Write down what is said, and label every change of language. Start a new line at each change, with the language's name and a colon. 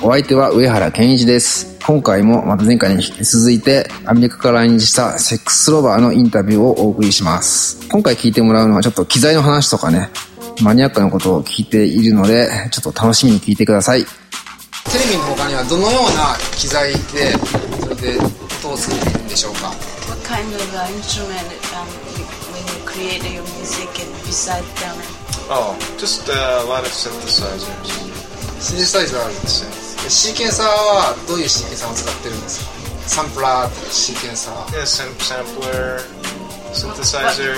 Japanese: お相手は上原健一です。今回もまた前回に引き続いてアメリカから来日したセックスロバーのインタビューをお送りします。今回聞いてもらうのはちょっと機材の話とかね、マニアックなことを聞いているので、ちょっと楽しみに聞いてください。テレビの他にはどのような機材でそれで通すんでしょうか？
English: What kind of instrument when you create your music besides them? Oh, just a lot of synthesizers.
Japanese: Synthesizer あるんですよ。シーケンサーはどういうシーケンサーを使ってるんですか？サンプラーとかシーケンサー。
English: Yeah, sampler, synthesizer.